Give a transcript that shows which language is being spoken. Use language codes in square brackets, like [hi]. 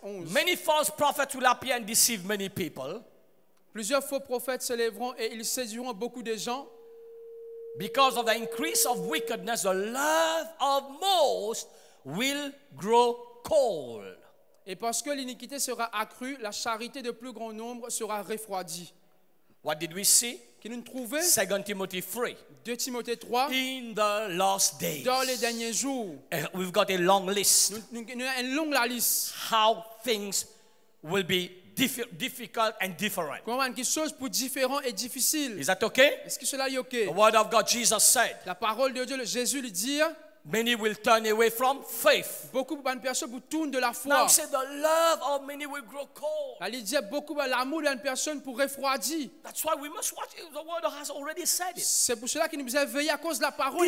[en] Many false prophets will appear and deceive many people. [fr] Plusieurs faux prophètes se lèveront et ils séduiront beaucoup de gens. [en] Because of the increase of wickedness, the love of most will grow cold. [fr] Et parce que l'iniquité sera accrue, la charité de plus grand nombre sera refroidie. [en] What did we see? [fr] Que nous trouvons? 2 Timothée 3. 2 Timothée 3. [en] In the last days. [fr] Dans les derniers jours. [en] We've got a long list. [fr] Nous avons une longue liste. [en] How things will be difficult and different. [fr] Comment quelque chose peut être différent et difficile? [en] Is that okay? [fr] Est-ce que cela est okay? [en] The word of God, Jesus said. [fr] La parole de Dieu, Jésus le dit. [en] Many will turn away from faith. [fr] Beaucoup de personnes vous tournent de la foi. [en] Now say the love of many will grow cold. [fr] Elle dit beaucoup l'amour d'une personne pour refroidir. [en] That's why we must watch it. The word has already said it. [fr] C'est pour cela qu'il nous a veillé à cause de la parole.